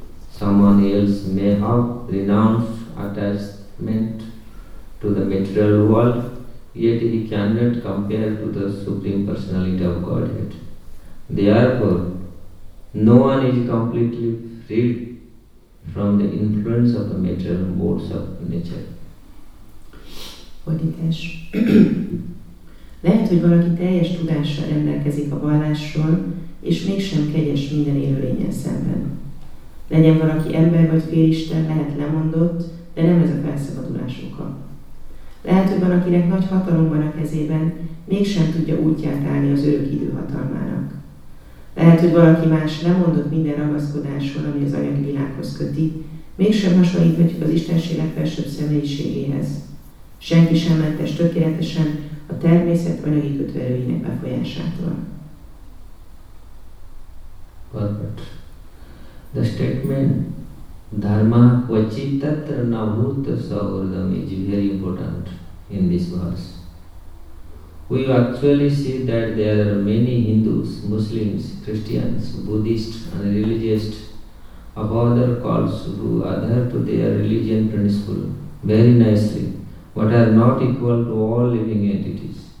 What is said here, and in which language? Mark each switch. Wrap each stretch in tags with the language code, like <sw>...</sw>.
<en>Someone else may have renounced attachment to the material world, yet he cannot compare to the Supreme Personality of Godhead. Therefore, no one is completely freed from the influence of the material modes of nature.</en> <hu>Fordítás. Lehet, hogy valaki teljes tudással rendelkezik a vallásról, és mégsem kegyes minden élőlényen szemben. Legyen valaki ember vagy félisten, lehet lemondott, de nem ez a felszabadulás oka. Lehet, hogy van, akinek nagy hatalom van a kezében, mégsem tudja útját állni az örök idő hatalmának. Lehet, hogy valaki más lemondott minden ragaszkodásról, ami az anyagi világhoz köti, mégsem hasonlítjuk az Istenség legfelsőbb személyiségéhez. Senki sem mentes tökéletesen a természet anyagi kötőerőinek befolyásától.</hu> <en>Perfect. The statement</en> <sa>dharma kvachit tatra na bhuta saurdam</sa> <en>is very important in this verse. We actually see that there are many Hindus, Muslims, Christians, Buddhists and religious of other cults who adhere to their religion principle very nicely, but are not equal to all living entities.</en>